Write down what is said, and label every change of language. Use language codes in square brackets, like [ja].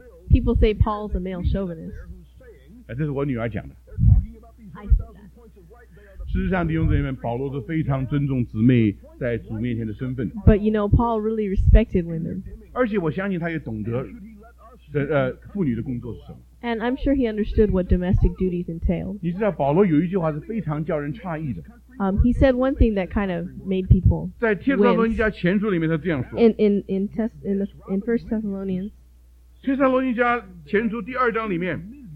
[en] People say Paul's a male chauvinist. [zh] 这是我女儿讲的。 [en] I see that. [zh] 事实上弟兄姊妹们，保罗是非常尊重姊妹在主面前的身份。 [en] But you know, Paul really respected women. [zh] 而且我相信他也懂得妇女的工作是什么。 [en] And I'm sure he understood what domestic duties entailed. [zh] 你知道保罗有一句话是非常叫人诧异的。 [en] He said one thing that kind of made people wince. [zh] 在帖撒罗尼迦前书里面他这样说。 [en] In First Thessalonians. [zh] 帖撒罗尼迦前书第二章里面。